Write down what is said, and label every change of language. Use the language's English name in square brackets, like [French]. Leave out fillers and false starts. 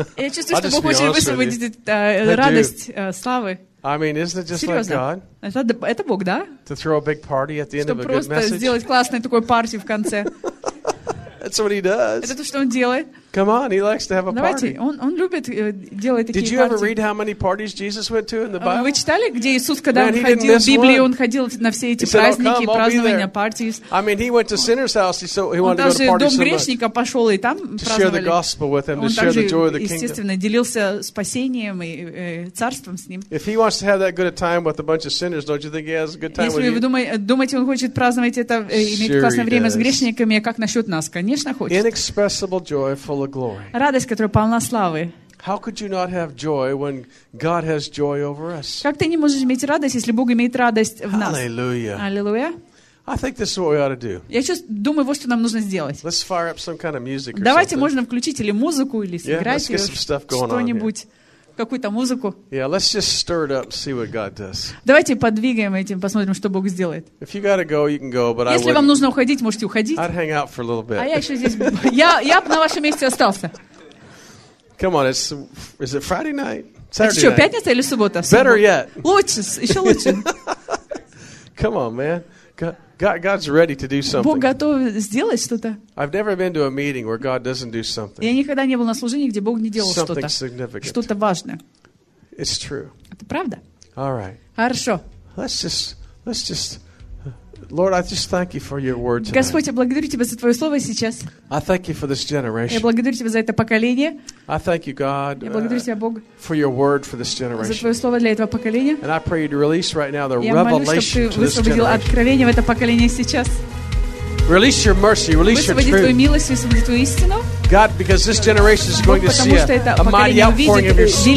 [Russian] Я чувствую, что Бог хочет высвободить радость, славы. [English] I mean, isn't it just like God? [Russian] Это Бог, да? [English] To throw a big party at the end of a good message. [Russian] Чтобы просто сделать классное такое партию в конце. [English] That's what he does. [Russian] Это то, что он делает. [English] Come on, he likes to have a party. [Russian] Давайте, он любит делать такие [English] Did you ever read how many parties Jesus went to in the Bible? [Russian] Вы читали, где Иисус, когда он ходил в Библии, он ходил на все эти праздники, празднования, партии? [English] I mean, he went to sinner's house, so he wanted to go to party so much. [Russian] Он даже в дом грешника пошел и там праздновали. [English] To share the gospel with him, to share the joy of the kingdom. [Russian] Он также, естественно, делился спасением и царством с ним. [English] If he wants to have that good a time with a bunch of sinners, don't you think he has a good time with you? [Russian] Если вы думаете, он хочет праздновать это, иметь классное время с грешниками, как насчет нас? Конечно, хочет. [English] Inexpressible joy, full [Russian] Радость, которая полна славы. [English] How could you not have joy when God has joy over us? [Russian] Как ты не можешь иметь радость, если Бог имеет радость в нас? [English] Hallelujah. Hallelujah. I think this is what we ought to do. [Russian] Я сейчас думаю, вот что нам нужно сделать. [English] Let's fire up some kind of music. [Russian] Давайте можно включить или музыку, или сыграть [English] yeah, let's get stuff going [Russian] что-нибудь. Какую-то музыку. [English] Yeah, let's just stir it up, see what God does. [Russian] Давайте подвигаем этим, посмотрим, что Бог сделает. [English] If you gotta go, you can go, but [Russian] если вам нужно уходить, можете уходить. [English] I'd hang out for a little bit. [Russian] А я еще здесь. Я бы на вашем месте остался. [English] Come on, is it Friday night? Saturday night? [Russian] Пятница или суббота? [English] Better yet. [Russian] Лучше, еще лучше. [English] Come on, man. God's ready to do something. [Russian] Бог готов сделать что-то. [English] I've never been to a meeting where God doesn't do something. [Russian] Я никогда не был на служении, где Бог не делал [English] something Significant. [Russian] Что-то важное. [English] It's true. [Russian] Это правда? [English] All right. [Russian] Хорошо. [English] Let's just Lord, I just thank you for your word tonight. [Russian] Господь, я благодарю тебя за твое слово сейчас. [English] I thank you for this generation. [Russian] Я благодарю тебя за это поколение. [English] I thank you, God. [Russian] Я благодарю тебя, Бог, [English] for your word for this generation. [Russian] За твое слово для этого поколения. [English] And I pray you to release right now the revelation to this generation. [Russian] Я молюсь, чтобы ты высвободил откровение в это поколение сейчас. [English] Release your mercy, release your truth. [Russian] Высвободи твою милость, высвободи твою истину. [English] God, because this generation is going to see a mighty outpouring of your spirit.